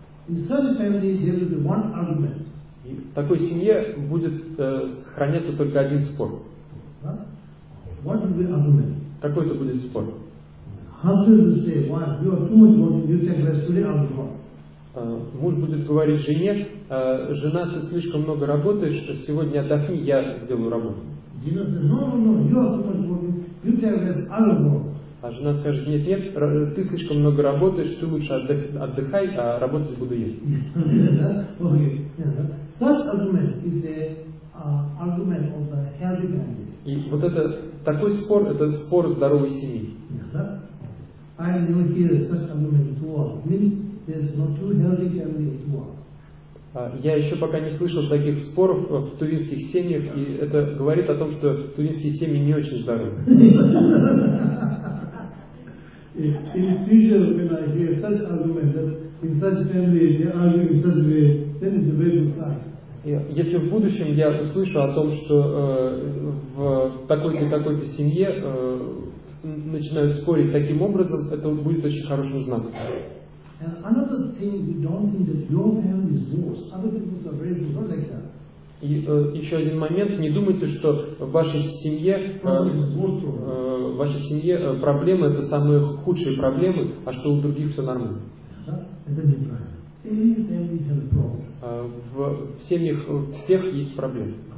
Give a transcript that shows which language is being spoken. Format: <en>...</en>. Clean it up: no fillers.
<ru>И в такой семье будет сохраняться только один спор. Какой это будет спор? Муж будет говорить жене: жена, ты слишком много работаешь, сегодня отдохни, я сделаю работу. Жена</ru> <en>says, no, you are too much working, you take rest, I will go.</en> <ru>А жена скажет: нет, ты слишком много работаешь, ты лучше отдыхай, а работать буду я.</ru> <en>Such argument is a argument of the healthy family.</en> <ru>И вот это такой спор, это спор здоровой семьи.</ru> <en>I never hear such argument at all. Means there's not two healthy family at all.</en> <ru>Я еще пока не слышал таких споров в тувинских семьях, и это говорит о том, что тувинские семьи не очень здоровы. Если в будущем я услышу о том, что в такой-то такой-то семье начинают спорить таким образом, это будет очень хорошим знаком.</ru> <en>And another thing, you don't think that your family is worse. Other people are very good, not like that.</en> <ru>Еще один момент. Не думайте, что в вашей семье, в вашей семье проблемы это самые худшие проблемы, а что у других все нормально. Это неправильно. В семьях всех есть проблемы.</ru>